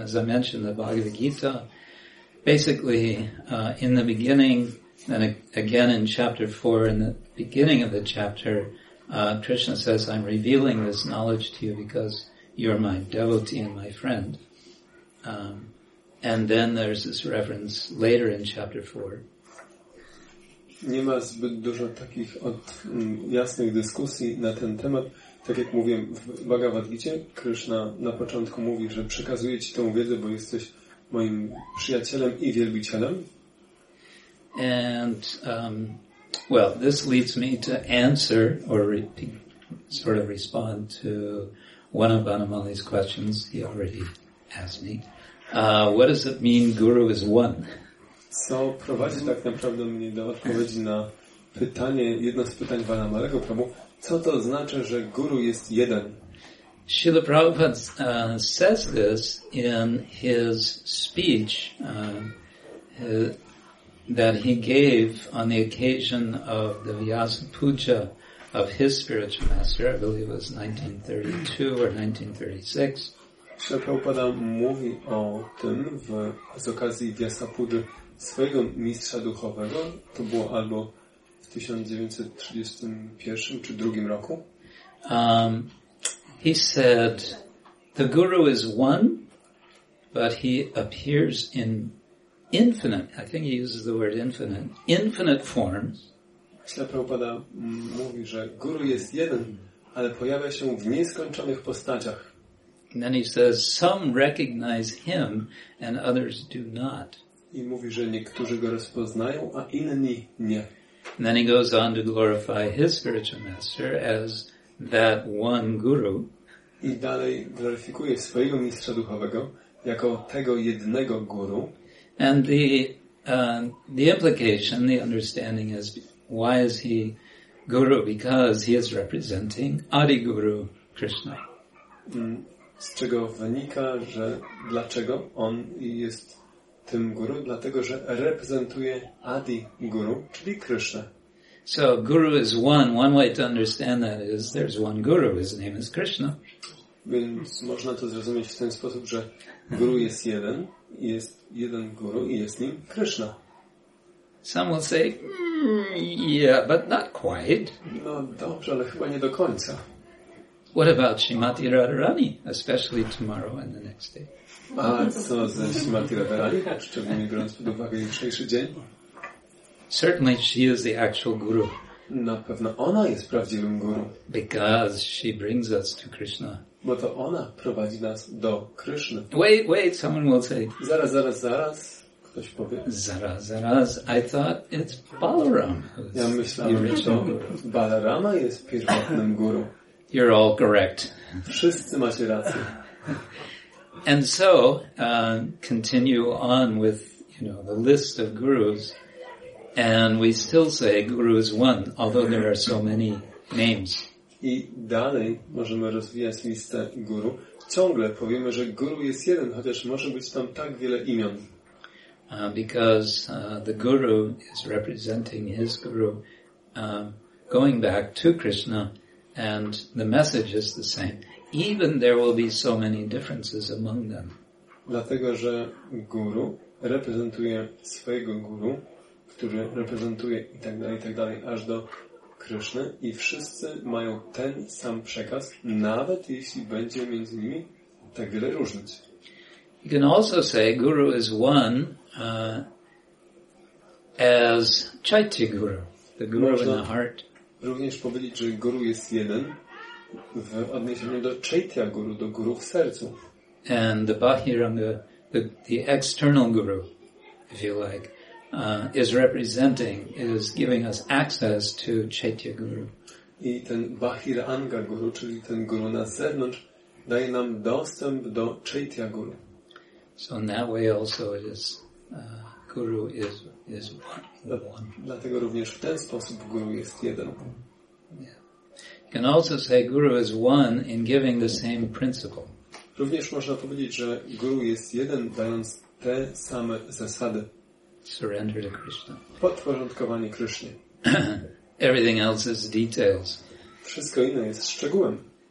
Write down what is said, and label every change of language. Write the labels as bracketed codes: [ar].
[en] As I mentioned, the Bhagavad Gita, basically, in the beginning, and again in chapter 4, in the beginning of the chapter, Krishna says, I'm revealing this knowledge to you because you're my devotee and my friend. And then there's this reference later in chapter 4. [pl] Nie ma zbyt dużo takich jasnych dyskusji na ten temat. Tak jak mówiłem, w Bhagavad Gita Krishna na początku mówi, że przekazuje ci tę wiedzę, bo jesteś moim przyjacielem i wielbicielem. [en] And well, this leads me to answer or sort of respond to one of Anamali's questions he already asked me. What does it mean guru is one? [pl] Co prowadzi tak naprawdę mnie do odpowiedzi na pytanie, jedno z pytań Pana Marego Prabhu, co to znaczy, że guru jest jeden? [en] Śrīla Prabhupāda says this in his speech that he gave on the occasion of the Vyasa Puja of his spiritual master, I believe it was 1932 or 1936. [pl] Śrīla Prabhupāda mówi o tym z okazji Vyasa Puja swojego mistrza duchowego, to było albo w 1931 czy drugim roku. [en] He said, the guru is one, but he appears in infinite, I think he uses the word infinite, infinite forms. [pl] Śrīla Prabhupāda mówi, że guru jest jeden, ale pojawia się w nieskończonych postaciach. [en] And then he says, some recognize him and others do not. [pl] I mówi, że niektórzy go rozpoznają, a inni nie. [en] And then he goes on to glorify his spiritual master as that one guru. [pl] I dalej gloryfikuje swojego mistrza duchowego jako tego jednego guru. [en] And the implication, the understanding is, why is he guru? Because he is representing Adi Guru Krishna. [pl] Z czego wynika, że dlaczego on jest tym guru, dlatego że reprezentuje Adi Guru, czyli Krishna. [en] So guru is one. One way to understand that is there's one guru, his name is Krishna. [pl] Więc można to zrozumieć w ten sposób, że guru jest jeden, jest jeden guru i jest nim Krishna. [en] Some will say, yeah, but not quite. [pl] No dobrze, ale chyba nie do końca. [en] What about Śrīmatī Radharani, especially tomorrow and the next day? [pl] A co ze Śrīmatī Radharani, szczególnie biorąc pod uwagę jutrzejszy dzień? [en] Certainly she is the actual guru. [pl] Na pewno ona jest prawdziwym guru. [en] Because she brings us to Krishna. [pl] Bo to ona prowadzi nas do Krishna. [en] Wait, someone will say. [pl] Zaraz. Ktoś powie. Zaraz. [en] I thought it's Balaram. [pl] Ja myślałem, że to Balarama jest pierwotnym guru. [en] You're all correct. [pl] Wszyscy macie rację. [en] And so, continue on with, you know, the list of gurus, and we still say guru is one, although there are so many names. [pl] I dalej możemy rozwijać listę guru. Ciągle powiemy, że guru jest jeden, chociaż może być tam tak wiele imion. [en] Because the guru is representing his guru, going back to Krishna, and the message is the same. Even there will be so many differences among them. [pl] Dlatego, że guru reprezentuje swojego guru, który reprezentuje i tak dalej, aż do Kryszny i wszyscy mają ten sam przekaz, nawet jeśli będzie między nimi tak wiele różnic. [en] You can also say guru is one as Chaitya Guru, the guru [pl] Można [en] in the heart. [pl] Również powiedzieć, że guru jest jeden, w odniesieniu do Chaitya Guru, do Guru w sercu. [en] And the Bahiranga, the external Guru, if you like, is representing, is giving us access to Chaitya Guru. [pl] I ten Bahiranga Guru, czyli ten Guru na zewnątrz, daje nam dostęp do Chaitya Guru. [en] So in that way also it is, Guru is one. [pl] Dlatego również w ten sposób Guru jest jeden. [en] You can also say Guru is one in giving the same principle. [pl] Również można powiedzieć, że Guru jest jeden, dając te same zasady. [en] Surrender to Krishna. [pl] Podporządkowanie Krishnie. [en] Everything else is details. [pl] Wszystko inne jest szczegółem.